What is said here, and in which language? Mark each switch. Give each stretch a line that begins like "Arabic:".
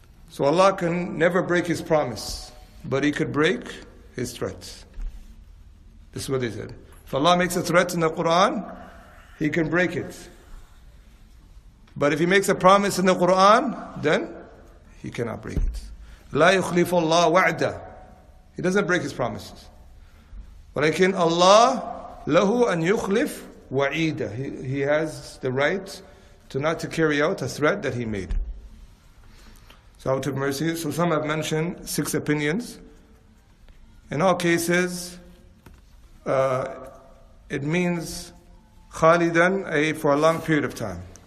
English: So Allah can never break His promise, but He could break His threats. This is what they said. If Allah makes a threat in the Quran, He can break it. But if He makes a promise in the Quran, then He cannot break it.
Arabic: لا يخلف الله وعدا.
English: He doesn't break His promises.
Arabic: ولكن الله له أن يخلف وعيدا.
English: He has the right to not to carry out a threat that He made. So out of mercy. So some have mentioned six opinions. In all cases, it means khalidan, for a long period of time.